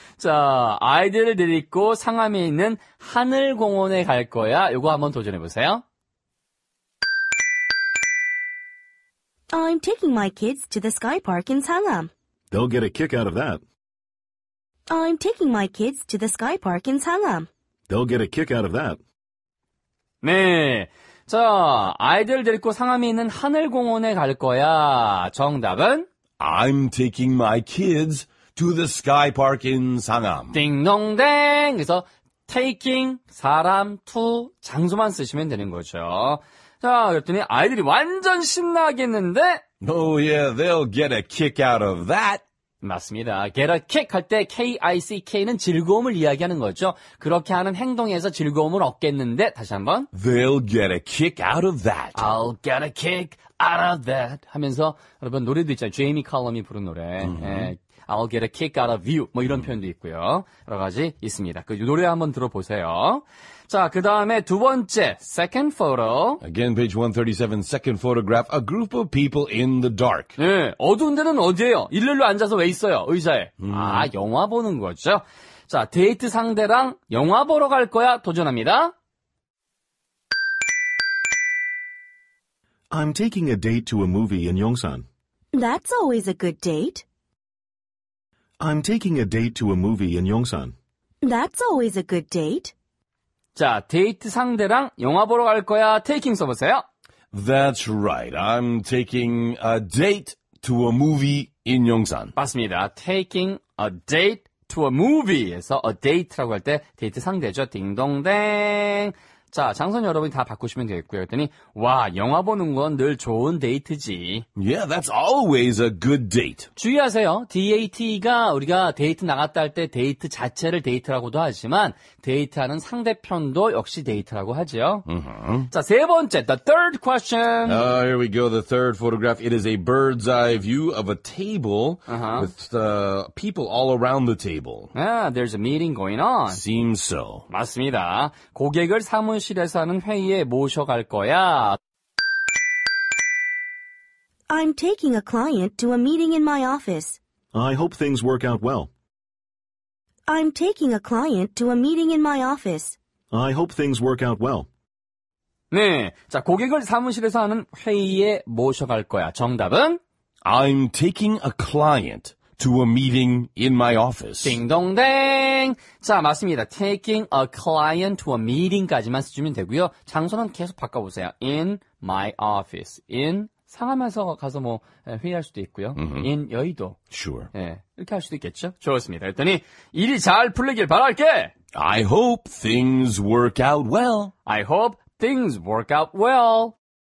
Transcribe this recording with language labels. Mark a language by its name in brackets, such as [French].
[Korean] 자, 아이들을 데리고 상암에 있는 하늘공원에 갈 거야. 이거 한번 도전해 보세요. [English] I'm taking my kids to the sky park in Sangam. They'll get a kick out of that. I'm taking my kids to the sky park in Sangam. They'll get a kick out of that. [Korean] 네. 자, 아이들 데리고 상암에 있는 하늘공원에 갈 거야. 정답은? [English] I'm taking my kids to the sky park in Sangam. [Korean] 띵동댕. 그래서 taking 사람 to 장소만 쓰시면 되는 거죠. 자, 그랬더니 아이들이 완전 신나겠는데? [English] Oh yeah, they'll get a kick out of that. [Korean] 맞습니다. [English] Get a kick [Korean] 할 때 K-I-C-K는 즐거움을 이야기하는 거죠. 그렇게 하는 행동에서 즐거움을 얻겠는데, 다시 한번. [English] They'll get a kick out of that. I'll get a kick out of that. [Korean] 하면서, 여러분, 노래도 있잖아요. 제이미 칼럼이 부른 노래. [English] Mm-hmm. [Korean] 예, [English] I'll get a kick out of you. [Korean] 뭐 이런 표현도 있고요. 여러 가지 있습니다. 그 노래 한번 들어보세요. 자, 그 다음에 두 번째, [English] second photo. Again, page 137, second photograph, a group of people in the dark. [Korean] 네, 어두운 데는 어디예요? 일렬로 앉아서 왜 있어요, 의자에? 아, 영화 보는 거죠. 자, 데이트 상대랑 영화 보러 갈 거야, 도전합니다. [English] I'm taking a date to a movie in Yongsan. That's always a good date. I'm taking a date to a movie in Yongsan. That's always a good date. [Korean] 자, 데이트 상대랑 영화 보러 갈 거야. Taking 써보세요. [English] That's right. I'm taking a date to a movie in Yongsan. [Korean] 맞습니다. [English] Taking a date to a movie [Korean] 에서 [English] a date [Korean] 라고 할 때 데이트 상대죠. 딩동댕. 자, 장선 여러분이 다 바꾸시면 되겠고요. 그랬더니 와, 영화 보는 건 늘 좋은 데이트지. [English] Yeah, that's always a good date. [Korean] 주의하세요. DAT가 우리가 데이트 나갔다 할 때 데이트 자체를 데이트라고도 하지만 데이트하는 상대편도 역시 데이트라고 하지요. Uh-huh. 자, 세 번째, the third question. [English] Here we go, the third photograph. It is a bird's eye view of a table with people all around the table. There's a meeting going on. Seems so. [Korean] 맞습니다. 고객을 사무실에서 하는 회의에 모셔갈 거야. [English] I'm taking a client to a meeting in my office. I hope things work out well. I'm taking a client to a meeting in my office. I hope things work out well. [Korean] 네, 자, 고객을 사무실에서 하는 회의에 모셔갈 거야. 정답은 [English] I'm taking a client to a meeting in my office. [Korean] 띵동댕. 자, 맞습니다. [English] Taking a client to a meeting [Korean] 까지만 쓰시면 되고요. 장소는 계속 바꿔보세요. [English] In my office. In [Korean] 상암에서 가서 뭐 회의할 수도 있고요. Mm-hmm. [English] In 여의도. Sure. [Korean] 예, 이렇게 할 수도 있겠죠. 좋습니다. 그랬더니 일이 잘 풀리길 바랄게. [English] I hope things work out well. I hope things work out well.